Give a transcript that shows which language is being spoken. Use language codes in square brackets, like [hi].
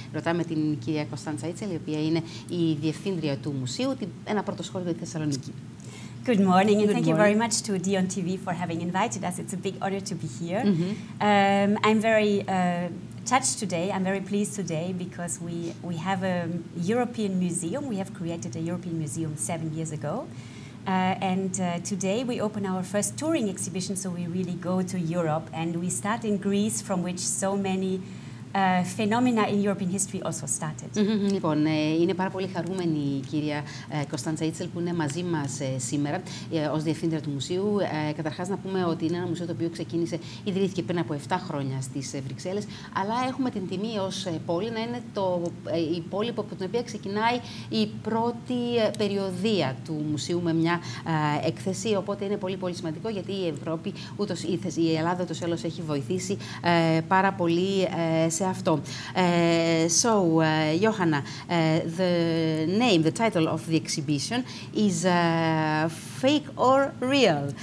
[el] Ρωτάμε την κυρία Κωνστάντσα Ίτσελ, η οποία είναι η διευθύντρια του μουσείου, ένα πρωτοσχόλιο στη Θεσσαλονίκη. [en] Good morning and thank you very much to Dion TV for having invited us. It's a big honor to be here. Mm-hmm. I'm very touched today. I'm very pleased today because we have a European museum. We have created a European museum 7 years ago. Today we open our first touring exhibition, so we really go to Europe and we start in Greece, from which so many phenomena in European history also started. Mm-hmm. [el] Λοιπόν, είναι πάρα πολύ χαρούμενη η κυρία Κωνστάντσα Ίτσελ που είναι μαζί μας σήμερα ως διευθύντρια του μουσείου. Καταρχάς να πούμε ότι είναι ένα μουσείο το οποίο ιδρύθηκε πριν από 7 χρόνια στις Βρυξέλλες, αλλά έχουμε την τιμή ως πόλη να είναι η πόλη από την οποία ξεκινάει η πρώτη περιοδία του μουσείου με μια έκθεση, οπότε είναι πολύ πολύ σημαντικό γιατί η Ευρώπη, ούτως ήθεσε, η Ελλάδα ούτως έλος έχει βοηθήσει πάρα πολύ σε αυτό. [en] So, Johanna, the name, the title of the exhibition is Fake or Real.